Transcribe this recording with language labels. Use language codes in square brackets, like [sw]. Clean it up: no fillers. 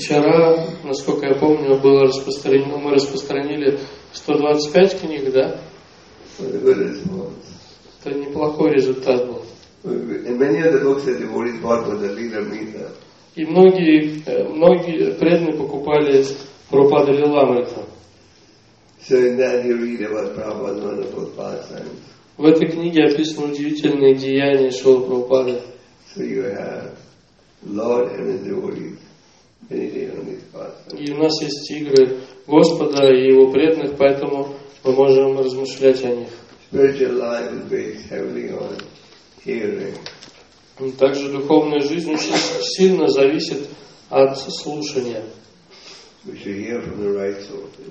[ru] Вчера, насколько я помню, было распространено, мы распространили 125 книг, да? [en] What a good response. [ru] Это неплохой результат был. [en] And many of the books that the devotees bought were the Лила Амрита. [ru] И многие преданные покупали Прабхупада Лила Амрита. [en] So in that you read about Prabhupada's wonderful pastimes. [ru] В этой книге описаны удивительные деяния Шрилы Прабхупады. [en] So you have Lord and his devotees meditating on these pastimes. [ru] И у нас есть игры Господа и Его преданных, поэтому мы можем размышлять о них. [en] Spiritual life is based heavily on hearing. [ru] Также духовная жизнь очень сильно зависит от слушания. [en] We should hear from the right source.